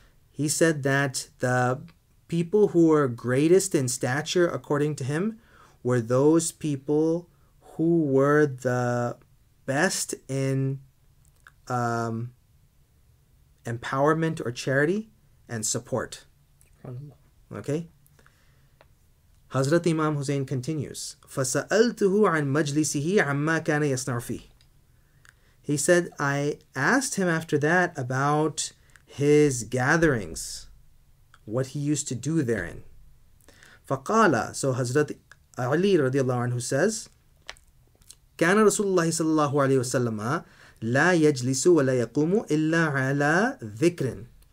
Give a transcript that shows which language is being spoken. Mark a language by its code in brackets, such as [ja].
[en] He said that the people who were greatest in stature, according to him, were those people who were the best in empowerment or charity and support. Okay? Hazrat Imam Hussein continues, [ar] فَسَأَلْتُهُ عَنْ مَجْلِسِهِ عَمَّا كَانَ يَصْنَعُ فِيهِ. [en] He said, I asked him after that about his gatherings, what he used to do therein. [ar] فَقَالَ, [en] so Hazrat Ali radiallahu anhu says, [ar] كَانَ رَسُولُ اللَّهِ صَلَى اللَّهُ عَلَيْهِ وَسَلَّمَ لَا يَجْلِسُ وَلَا يَقُومُ إِلَّا عَلَى ذِكْرٍ.